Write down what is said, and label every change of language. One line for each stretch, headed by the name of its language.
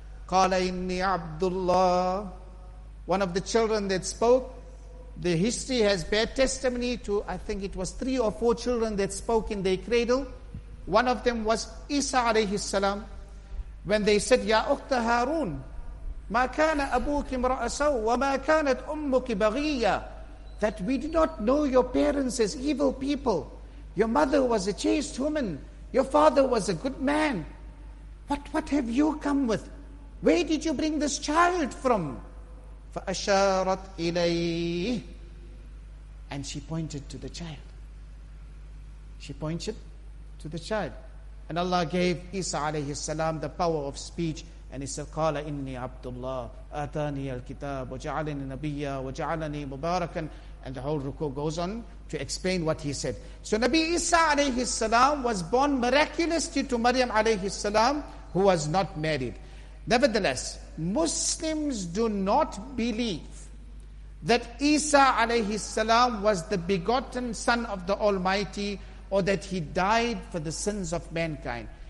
Arabic: Qala inni Abdullah.
English: One of the children that spoke, the history has bear testimony to, I think it was 3 or 4 children that spoke in their cradle. One of them was Isa alayhi salam. When they said,
Arabic: Ya Ukhta Harun, ما كان أبوك امرأ سوء وما كانت أمك بغية.
English: That we did not know your parents as evil people. Your mother was a chaste woman. Your father was a good man. What have you come with? Where did you bring this child from?
Arabic: فَأَشَارَتْ إِلَيْهِ.
English: And she pointed to the child. She pointed to the child. And Allah gave Isa alayhi salam the power of speech. And he said,
Arabic: قَالَ إِنِّي عَبْدُ اللَّهِ آتَانِيَ الْكِتَابُ وَجَعَلَنِي نَبِيًّا وَجَعَلَنِي مُبَارَكًا.
English: And the whole ruku goes on to explain what he said. So Nabi Isa alayhi salam was born miraculously to Maryam alayhi salam, who was not married. Nevertheless, Muslims do not believe that Isa alayhi salam was the begotten son of the Almighty, or that he died for the sins of mankind.